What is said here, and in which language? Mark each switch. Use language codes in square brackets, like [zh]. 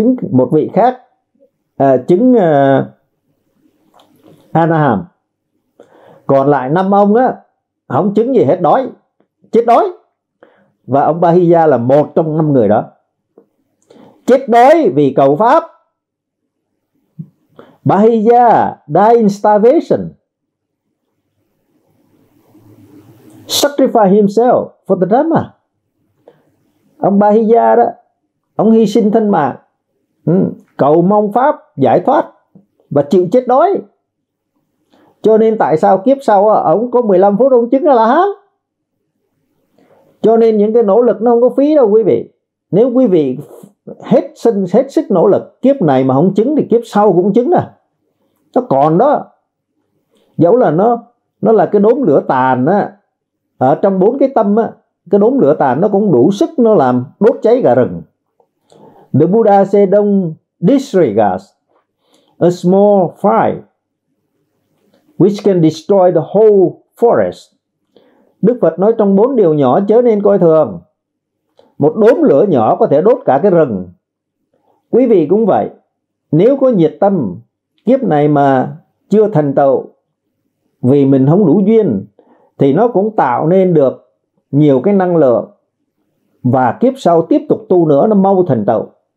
[vi] Một vị khác chứng A-la-hán. Còn lại 5 ông á không chứng gì hết, đói, chết đói. Và ông Bahiya là một trong 5 người đó chết đói vì cầu pháp. [en] Bahiya die in starvation, sacrifice himself for the Dhamma. [vi] Ông Bahiya đó, ông hy sinh thân mạng, cầu mong pháp giải thoát và chịu chết đói. Cho nên tại sao kiếp sau ông có 15 phút ông chứng là hả? Cho nên những cái nỗ lực nó không có phí đâu quý vị. Nếu quý vị hết sức nỗ lực kiếp này mà không chứng thì kiếp sau cũng chứng à. Nó còn đó. Dẫu là nó là cái đốm lửa tàn á, ở trong 4 cái tâm á, cái đốm lửa tàn nó cũng đủ sức nó làm đốt cháy cả rừng. [en] The Buddha said, "Don't disregard a small fire which can destroy the whole forest." [vi] Đức Phật nói trong 4 điều nhỏ chớ nên coi thường. Một đốm lửa nhỏ có thể đốt cả cái rừng. Quý vị cũng vậy. Nếu có nhiệt tâm kiếp này mà chưa thành tựu vì mình không đủ duyên thì nó cũng tạo nên được nhiều cái năng lượng và kiếp sau tiếp tục tu nữa nó mau thành tựu.